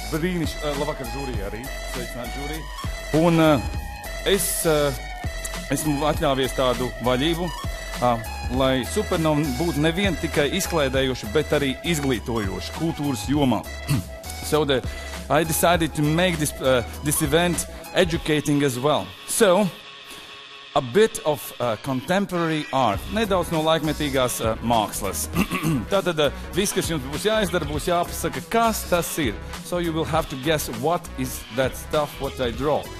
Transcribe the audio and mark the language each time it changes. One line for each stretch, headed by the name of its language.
Latvian: Brīniš, labvakar žūrija arī. Sveicināt žūrija. Un es esmu atļāvies tādu vaļību, lai Supernova būtu nevien tikai izklaidējoši, bet arī izglītojoši kultūras jomā.
English: So I decided to make this this event educating as well. So a bit of contemporary art.
Latvian: Nedaudz no laikmetīgās mākslas. Tātad viss, kas jums būs jāizdara, būs jāpasaka, kas tas ir.
English: So you will have to guess what is that stuff what I draw.